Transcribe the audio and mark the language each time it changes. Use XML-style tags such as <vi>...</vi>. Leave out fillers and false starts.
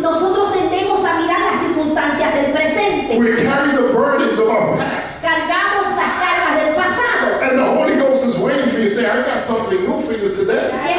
<es>Nosotros tendemos a mirar las circunstancias del presente.</es> <en>We carry the burdens of our past.</en> <es>Cargamos las cargas del pasado.</es> <en>And the Holy Ghost is waiting for you to say, I've got something new for you today.</en>